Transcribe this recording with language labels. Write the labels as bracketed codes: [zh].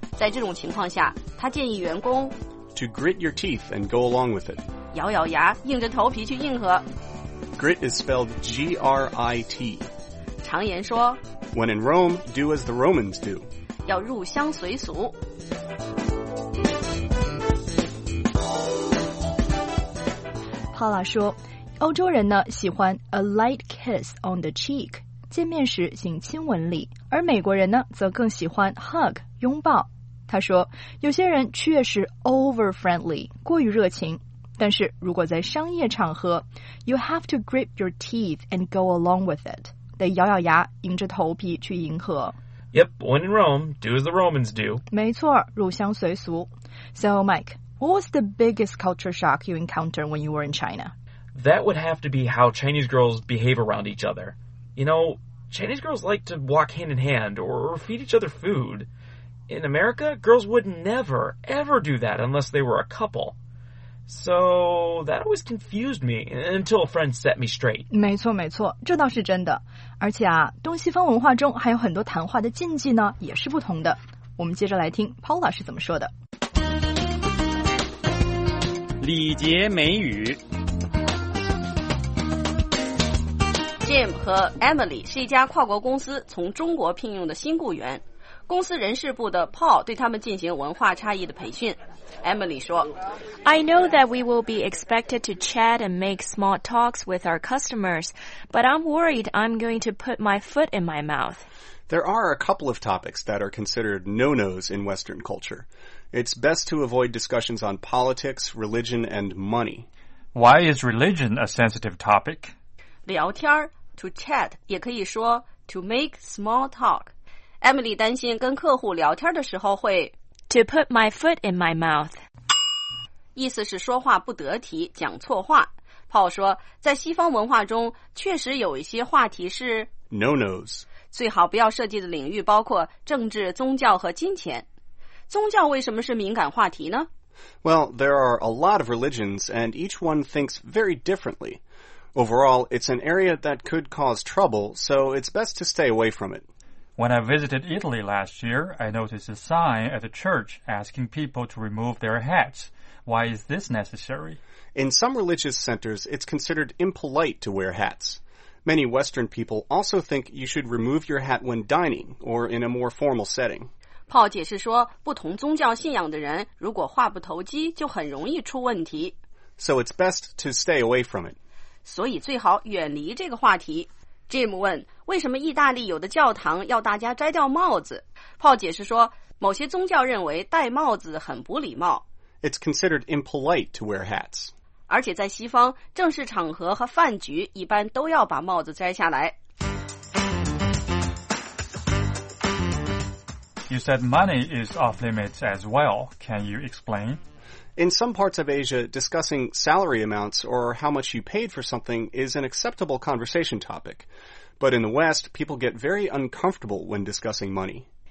[zh] 在这种情况下，他建议员工 [en] to grit your teeth and go along with it. [zh] 咬咬牙，硬着头皮去硬核。 [en] Grit is spelled G-R-I-T. [zh] 常言说 [en] When in Rome, do as the Romans do. [zh] 要入乡随俗。 Paula 说，欧洲人呢喜欢 [en] a light kiss on the cheek， [zh] 见面时行亲吻礼，而美国人呢则更喜欢 hug， 拥抱。他说，有些人确实 [en] over friendly， [zh] 过于热情。但是如果在商业场合 [en] ,you have to grit your teeth and go along with it. [zh] 得咬咬牙迎着头皮去迎合。 [en] Yep, when in Rome, do as the Romans do. [zh] 没错入乡随俗。 [en] So, Mike, what was the biggest culture shock you encountered when you were in China? That would have to be how Chinese girls behave around each other. You know, Chinese girls like to walk hand in hand or feed each other food. In America, girls would never, ever do that unless they were a couple. So, that always confused me, until a friend set me straight. [zh] 没错没错，这倒是真的。而且啊，东西方文化中还有很多谈话的禁忌呢，也是不同的。我们接着来听 Paula 是怎么说的。礼节美语。 Jim 和 Emily 是一家跨国公司从中国聘用的新雇员。公司人事部的 Paul 对他们进行文化差异的培训。 Emily 说 [en] I know that we will be expected to chat and make small talks with our customers, but I'm worried I'm going to put my foot in my mouth. There are a couple of topics that are considered no-nos in Western culture. It's best to avoid discussions on politics, religion, and money. Why is religion a sensitive topic? [zh] 聊天 [en] to chat, [zh] 也可以说 [en] to make small talk. [zh] Emily 担心跟客户聊天的时候会 [en] To put my foot in my mouth. [zh] 意思是说话不得体，讲错话。 Paul 说，在西方文化中，确实有一些话题是 [en] No-nos. [zh] 最好不要涉及的领域包括政治、宗教和金钱。宗教为什么是敏感话题呢？ [en] Well, there are a lot of religions, and each one thinks very differently. Overall, it's an area that could cause trouble, so it's best to stay away from it. When I visited Italy last year, I noticed a sign at the church asking people to remove their hats. Why is this necessary? In some religious centers, it's considered impolite to wear hats. Many Western people also think you should remove your hat when dining or in a more formal setting. [zh] Paul 解释说，不同宗教信仰的人如果话不投机，就很容易出问题。 [en] So it's best to stay away from it. [zh] 所以最好远离这个话题。Jim 问，为什么意大利有的教堂要大家摘掉帽子？ Paul 解释说，某些宗教认为戴帽子很不礼貌。 [en] It's considered impolite to wear hats. [zh] 而且在西方，正式场合和饭局一般都要把帽子摘下来。 [en] You said money is off limits as well. Can you explain? In some parts of Asia, discussing salary amounts or how much you paid for something is an acceptable conversation topic. But in the West, people get very uncomfortable when discussing money.